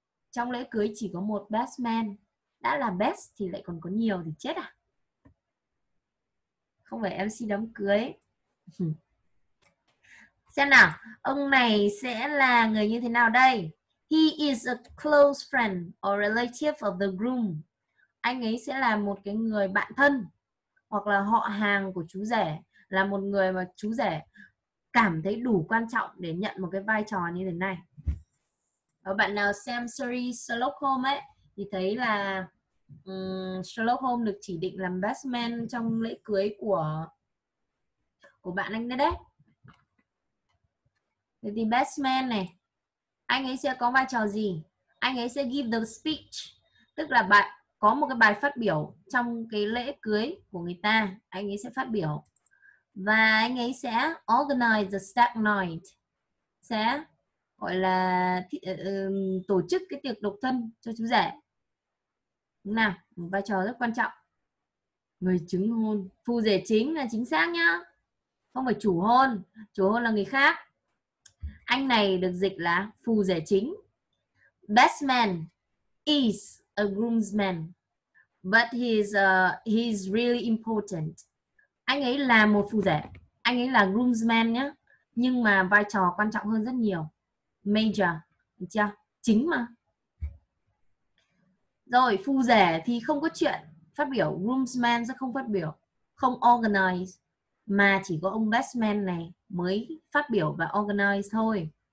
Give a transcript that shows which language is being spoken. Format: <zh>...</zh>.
<vi>Trong lễ cưới chỉ có một best man. Đã là best thì lại còn có nhiều thì chết à? Không phải MC đám cưới. Xem nào, ông này sẽ là người như thế nào đây?</vi> <en>He is a close friend or relative of the groom.</en> <vi>Anh ấy sẽ là một cái người bạn thân hoặc là họ hàng của chú rể, là một người mà chú rể cảm thấy đủ quan trọng để nhận một cái vai trò như thế này. Và bạn nào xem series Sherlock Holmes ấy thì thấy là Sherlock Holmes được chỉ định làm best man trong lễ cưới của bạn anh đấy đấy. Thế thì best man này, anh ấy sẽ có vai trò gì? Anh ấy sẽ</vi> <en>give the speech,</en> <vi>tức là bạn có một cái bài phát biểu trong cái lễ cưới của người ta, anh ấy sẽ phát biểu. Và anh ấy sẽ</vi> <en>organize the stag night,</en> <vi>sẽ gọi là tổ chức cái tiệc độc thân cho chú rể. Đúng nào, một vai trò rất quan trọng. Người chứng hôn, phù rể chính là chính xác nhá. Không phải chủ hôn là người khác. Anh này được dịch là phù rể chính.</vi> <en>Best man is a groomsman, but he's really important.</en> <vi>Anh ấy là một phù rể, anh ấy là groomsman nhá, nhưng mà vai trò quan trọng hơn rất nhiều. Major, được chưa? Chính mà. Rồi, phù rể thì không có chuyện phát biểu, groomsman sẽ không phát biểu, không organize, mà chỉ có ông best man này mới phát biểu và organize thôi.</vi>